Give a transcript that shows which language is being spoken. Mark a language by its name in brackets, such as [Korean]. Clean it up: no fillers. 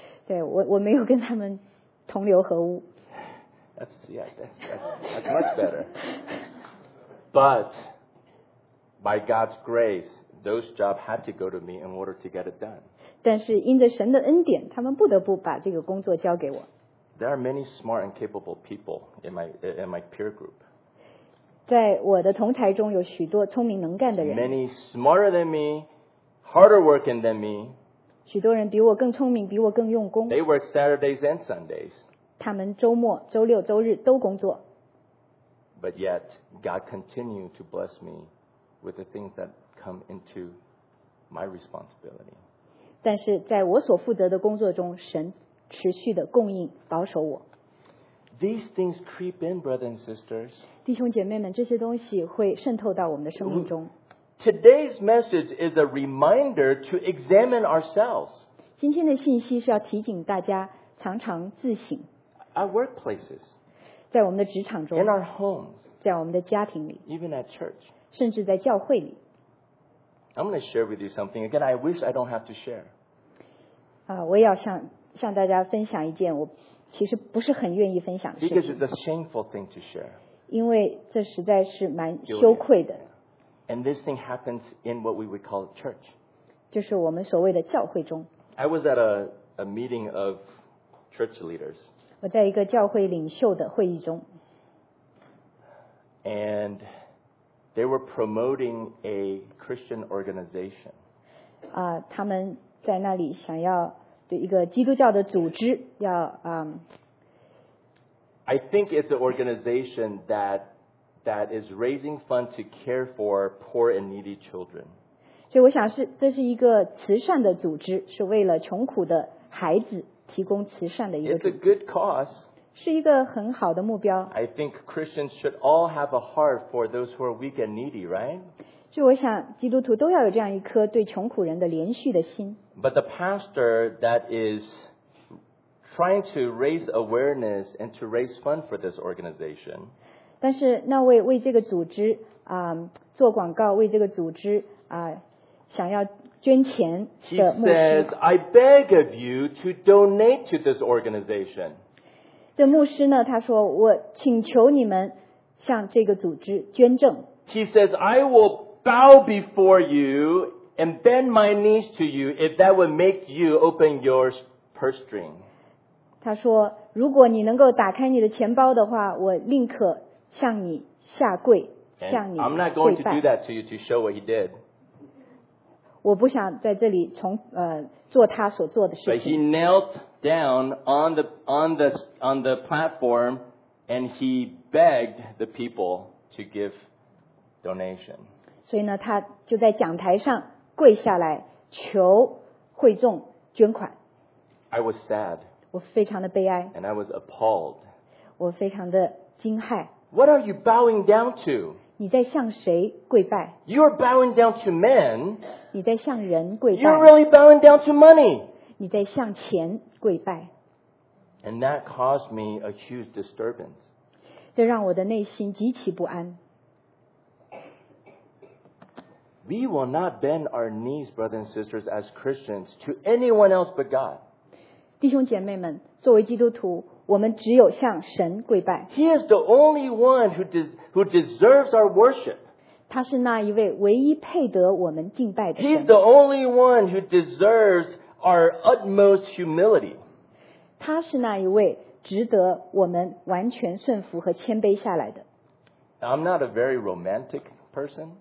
[Chinese] 对我没有跟他们同流合污。 [English] That's much better. But by God's grace, those jobs had to go to me in order to get it done. [Chinese] 但是因着神的恩典，他们不得不把这个工作交给我。 [English] There are many smart and capable people in my peer group. [Chinese] 在我的同侪中有许多聪明能干的人。 [English] Many smarter than me, harder working than me. [Chinese] 许多人比我更聪明，比我更用功。 [English] They work Saturdays and Sundays. [Chinese] 他们周末、周六、周日都工作。 [English] But yet, God continued to bless me with the things that come into my responsibility. [Chinese] 但是在我所负责的工作中，神。持续的供应保守我。 [English] These things creep in, brothers and sisters. [Chinese] 弟兄姐妹们，这些东西会渗透到我们的生命中。 [English] Today's message is a reminder to examine ourselves. [Chinese] 今天的信息是要提醒大家常常自省。 [English] At workplaces. [Chinese] 在我们的职场中。 [English] In our homes. [Chinese] 在我们的家庭里。 [English] Even at church. [Chinese] 甚至在教会里。 [English] I'm going to share with you something. Again, I wish I don't have to share. [Chinese] 我也要向大家分享一件我其实不是很愿意分享的事情。 [English] Because it's a shameful thing to share. [Chinese] 因为这实在是蛮羞愧的。 [English] And this thing happens in what we would call church. [Chinese] 就是我们所谓的教会中。 [English] I was at a meeting of church leaders. [Chinese] 我在一个教会领袖的会议中。 [English] And they were promoting a Christian organization. [Chinese] 他们在那里想要对一个基督教的组织要 [English] I think it's an organization that is raising funds to care for poor and needy children. [Chinese] 所以我想是这是一个慈善的组织，是为了穷苦的孩子提供慈善的一个组织。 [English] It's a good cause. [Chinese] 是一个很好的目标。 [English] I think Christians should all have a heart for those who are weak and needy, right? [Chinese] 所以我想基督徒都要有这样一颗对穷苦人的怜恤的心。 [English] But the pastor that is trying to raise awareness and to raise funds for this organization. [Chinese] 但是那位为这个组织做广告，为这个组织想要捐钱的牧师。 [English] He says, "I beg of you to donate to this organization." [Chinese] 这牧师呢，他说，我请求你们向这个组织捐赠。 [English] He says, "I will bow before you and bend my knees to you if that would make you open your purse string." [Chinese] 他说，如果你能够打开你的钱包的话，我宁可向你下跪，向你跪拜。 [English] I'm not going to do that to you to show what he did. [Chinese] 我不想在这里从做他所做的事情。 [English] But he knelt down on the platform and he begged the people to give donation. [Chinese] 所以呢，他就在讲台上跪下来求会众捐款。 [English] I was sad. [Chinese] 我非常的悲哀。 [English] And I was appalled. [Chinese] 我非常的惊骇。 [English] What are you bowing down to? [Chinese] 你在向谁跪拜？ [English] You are bowing down to men. [Chinese] 你在向人跪拜。 [English] You are really bowing down to money. [Chinese] 你在向钱跪拜。 [English] And that caused me a huge disturbance. [Chinese] 这让我的内心极其不安。 [English] We will not bend our knees, brothers and sisters, as Christians, to anyone else but God. [Chinese] 弟兄姐妹们，作为基督徒，我们只有向神跪拜。 [English] He is the only one who deserves our worship. [Chinese] 他是那一位唯一配得我们敬拜的神。 [English] He is the only one who deserves our utmost humility. [Chinese] 他是那一位值得我们完全顺服和谦卑下来的。 [English] I'm not a very romantic person.